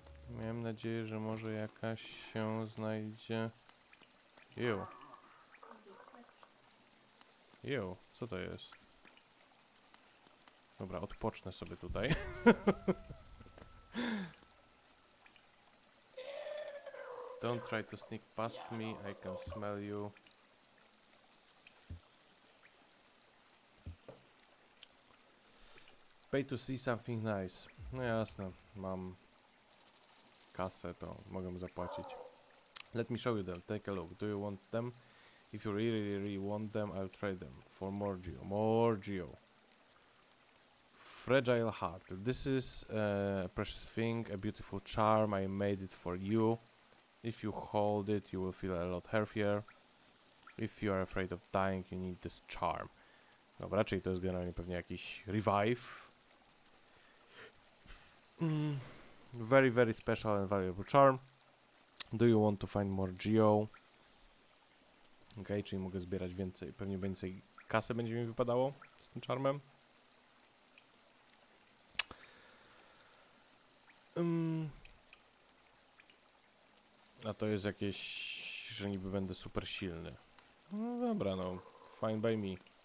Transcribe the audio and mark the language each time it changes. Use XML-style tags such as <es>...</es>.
<pl>Miałem nadzieję, że może jakaś się znajdzie... Jo, co to jest? Dobra, odpocznę sobie tutaj.</pl> <en>Don't try to sneak past me, I can smell you. Pay to see something nice.</en> <pl>No jasne, mam kasę, to mogę zapłacić.</pl> <en>Let me show you them. Take a look. Do you want them? If you really, really want them, I'll trade them for Morgio. Morgio. Fragile heart. This is a precious thing, a beautiful charm. I made it for you. If you hold it, you will feel a lot healthier. If you are afraid of dying, you need this charm.</en> <pl>No, raczej to jest generalnie pewnie jakiś revive.</pl> <en>Very, very special and valuable charm. Do you want to find more geo?</en> <pl>Okej, czyli mogę zbierać więcej, pewnie więcej kasy będzie mi wypadało z tym charmem. A to jest jakieś, że niby będę super silny. No dobra, no,</pl> <en>fine by me.</en>